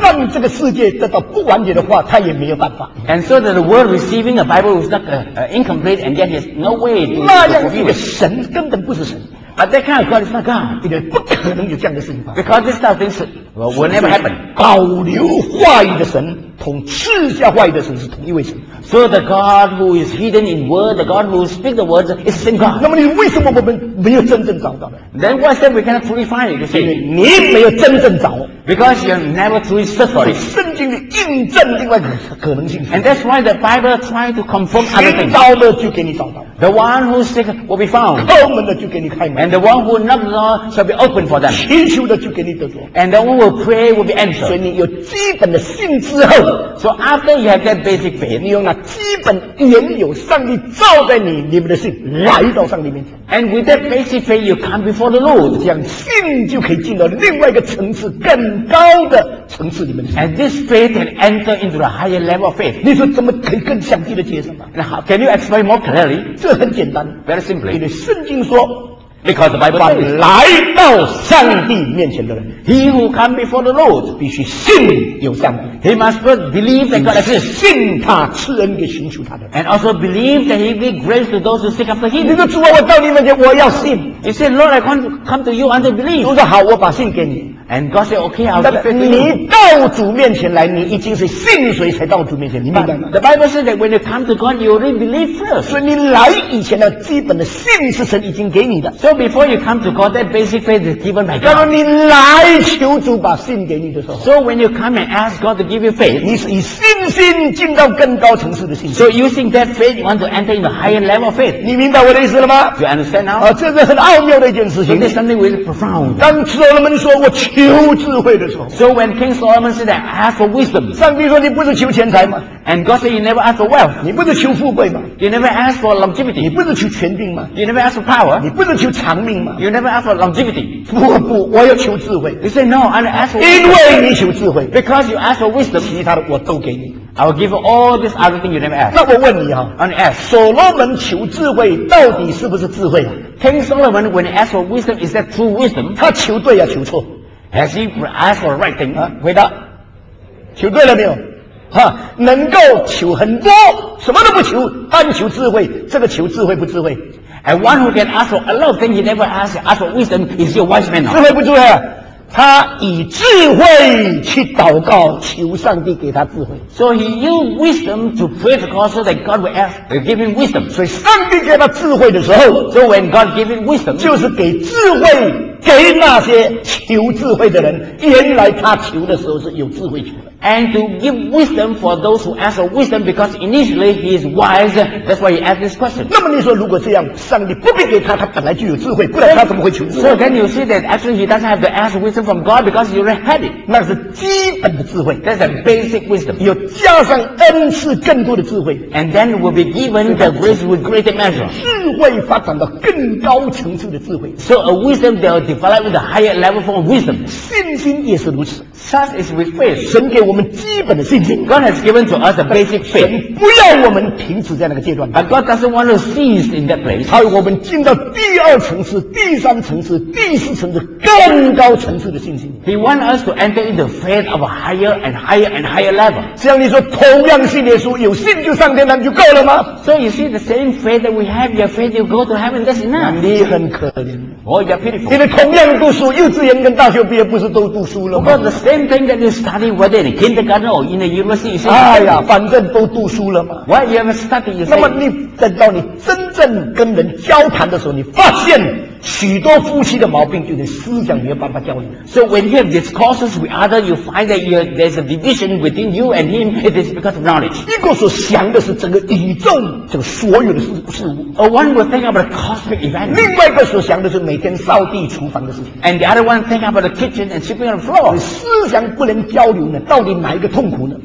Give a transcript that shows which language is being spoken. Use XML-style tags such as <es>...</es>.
<zh>让这个世界得到不完整的话，他也没有办法。</zh> <en>And so that the world receiving a Bible was not incomplete, and yet he has no way to fulfill it.</en> <zh>那样一个神根本不是神。</zh> <en>But that kind of God is not God.</en> <zh>因为不可能有这样的事情。</zh> <en>Because this type of things will never happen.</en> <zh>保留话语的神同赐下话语的神是同一位神。</zh> <en>So the God who is hidden in word, the God who speaks the words is the same God.</en> <zh>那么你为什么我们没有真正找到呢？</zh> <en>Then why is that we cannot truly find it?</en> <zh>因为你没有真正找。</zh> <en>Because you never truly search for it.</en> <zh>圣经里印证另外一个可能性。</zh> <en>And that's why the Bible tries to confirm other things.</en> <zh>找到了就给你找到。</zh> <en>The one who seeks will be found.</en> <zh>叩门的就给你开门。</zh> <en>And the one who knocks on shall be opened for them.</en> <zh>祈求的就给你得着。</zh> <en>And the one who pray will be answered.</en> <zh>所以你有基本的信之后，</zh> <en>so after you have that basic faith,</en> <zh>你用那基本原有上帝照在你里面的信来到上帝面前。</zh> <en>And with that basic faith, you come before the Lord.</en> <zh>这样信就可以进到另外一个层次，更高的层次里面。</zh> <en>And this faith can enter into a higher level of faith.</en> <zh>你说怎么可以更详细的解释吗？</zh> <en>Now, can you explain more clearly?</en> <zh>这很简单</zh> <en>，very simply，</en> <zh>因为圣经说</zh> <en>，because the Bible says，</en> <zh>来到上帝面前的人</zh> <en>，he who come before the Lord</en> <zh>必须信有上帝</zh> <en>，he must first believe that God exists，</en> <zh>信他赐恩给寻求他的</zh> <en>，and also believe that he gives grace to those who seek after him。</en> <zh>你说主啊，我到你面前，我要信。</zh> <en>He said， Lord， I come to you under belief。</en> <zh>主说好，我把信给你。</zh> <en>And God said, "Okay, I'll give faith to you."</en> <zh>你到主面前来，你已经是信谁才到主面前，你明白吗</zh> <en>？The Bible says that when you come to God, you already believe first.</en> <zh>所以你来以前的基本的信是神已经给你的。</zh> <en>So before you come to God, that basic faith is given by God.</en> <zh>当你来求主把信给你的时候</zh> <en>，So when you come and ask God to give you faith,</en> <zh>你是以信心进到更高层次的信心。</zh> <en>So using that faith, you want to enter into higher level faith.</en> <zh>你明白我的意思了吗</zh> <en>？Do you understand now?</en> <zh>啊，这是很奥妙的一件事情。</zh> <en>So、this is something really profound.</en> <zh>当所罗门说我求求智慧的时候</zh> <en>，So when King Solomon said, "I ask for wisdom."</en> <zh>上帝说你不是求钱财吗</zh> <en>？And God said, "You never ask for wealth."</en> <zh>你不是求富贵吗</zh> <en>？You never ask for longevity.</en> <zh>你不是求权柄吗</zh> <en>？You never ask for power.</en> <zh>你不是求长命吗</zh> <en>？You never ask for longevity.</en> <zh>不，我要求智慧。</zh> <en>You say no, I ask for.</en> <zh>因为你求智慧</zh> <en>，because you ask for wisdom.</en> <zh>其他的我都给你。</zh> <en>I will give you all this other thing you never ask.</en> <zh>那我问你啊</zh> <en>，And ask</en> <zh>所罗门求智慧到底是不是智慧啊</zh> <en>？King Solomon, when he asked for wisdom, is that true wisdom?</en> <zh>他求对呀、啊，求错。</zh> <en>Has he asked for the right thing?</en> <zh>回答，求对了没有？哈，能够求很多，什么都不求，单求智慧。这个求智慧不智慧</zh> <en>？And one who can ask for a lot of things he never asks for wisdom is a wise man.</en> <zh>智慧不智慧？他以智慧去祷告，求上帝给他智慧。</zh> <en>So he used wisdom to pray to God so that God would ask, give him wisdom.</en> <zh>所以上帝给他智慧的时候</zh> <en>，So when God gave him wisdom,</en> <zh>就是给智慧。给那些求智慧的人，原来他求的时候是有智慧求的。</zh> <en>And to give wisdom for those who ask for wisdom, because initially he is wise, that's why he asked this question.</en> <zh>那么你说，如果这样，上帝不必给他，他本来就有智慧，不然他怎么会求智慧</zh> <en>？So then you see that actually he doesn't have to ask wisdom from God because he already had it.</en> <zh>那是基本的智慧</zh> <en>，that's a basic wisdom.</en> <zh>有加上恩赐更多的智慧</zh> <en>，and then will be given the grace with greater measure.</en> <zh>智慧发展到更高层次的智慧</zh> <en>，so a wisdom that developing the higher level form of wisdom.</en> <zh>信心也是如此。</zh> <en>Trust is with faith.</en> <zh>神给我们基本的信心。</zh> <en>God has given to us a basic faith.</en> <zh>神不要我们停止在那个阶段。</zh> <en>But God doesn't want to cease in that place.</en> <zh>他要我们进到第二层次、第三层次、第四层次、更高层次的信心。</zh> <en>He want us to enter into faith of a higher and higher and higher level.</en> <zh>像你说同样信耶稣，有信就上天堂就够了吗？</zh> <en>So you see the same faith that we have, your faith you go to heaven, that's enough.</en> <zh>你很可怜。</zh> <en>Oh, you're pitiful.</en> <zh>你的同样读书，幼稚园跟大学毕业不是都读书了吗？</zh> <en>But the same thing that you study whether in kindergarten or in the university, you say,</en> <zh>哎呀，反正都读书了嘛。</zh> <en>Why you haven't studied?</en> <zh>那么你等到你真正跟人交谈的时候，你发现许多夫妻的毛病就是思想没有办法交流。</zh> <en>So when you have discourses with others, you find that there's a division between you and him. It is because of knowledge.</en> <zh>一个所想的是整个宇宙，这个所有的事物。</zh> <en>Or one will think about a cosmic event.</en> <zh>另外一个所想的是每天扫地厨房的事情。</zh> <en>And the other one think about the kitchen and sweeping the floor.</en> <zh>思想不能交流呢，到底哪一个痛苦呢？</zh>